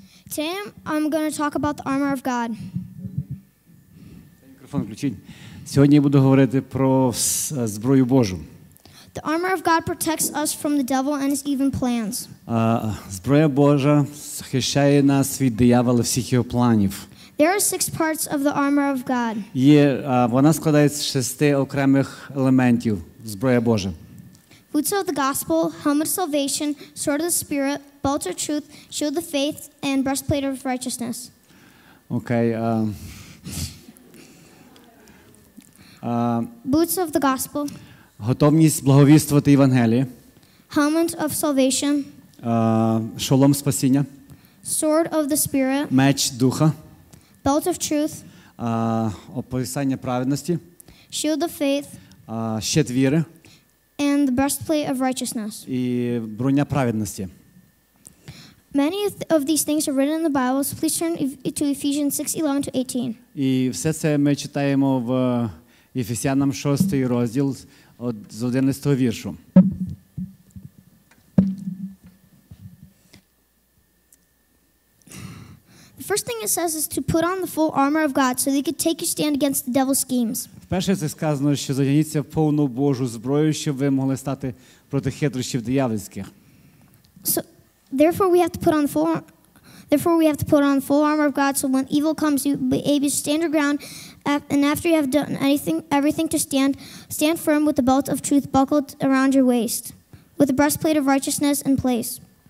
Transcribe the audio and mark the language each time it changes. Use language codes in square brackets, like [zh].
[en] Today, I'm going to talk about the armor of God. [uk] Мікрофон включіть. Сьогодні я буду говорити про зброю Божу. [en] The armor of God protects us from the devil and his evil plans. [uk] Зброя Божа захищає нас від диявола і всіх його планів. [en] There are six parts of the armor of God. [uk] Є, вона складається з шести окремих елементів зброї Божа. [en] Boots of the gospel, helmet of salvation, sword of the spirit, belt of truth, shield of faith, and breastplate of righteousness. Okay. Boots of the gospel. [uk] Готовність благовіствувати Євангеліє. [en] Helmet of salvation. [uk] Шолом спасіння. [en] Sword of the spirit. [uk] Меч духа. [en] Belt of truth. [uk] Оповісання праведності. [en] Shield of faith. [uk] Щит віри. [en] And the breastplate of righteousness. [uk] І броня праведності. [en] Many of these things are written in the Bible, so please turn to Ephesians 6:11 to 18. [uk] І все це ми читаємо в Ефесянам 6 розділ з 11 віршу. [en] The first thing it says is to put on the full armor of God so that you could take your stand against the devil's schemes. [uk] Перше, це сказано, що задягніться в повну Божу зброю, щоб ви могли стати проти хитрощів диявольських. [en] So, therefore we have to put on full armor of God so when evil comes you be able to stand your ground and after you have done everything to stand firm with the belt of truth buckled around your waist with the breastplate of righteousness in place.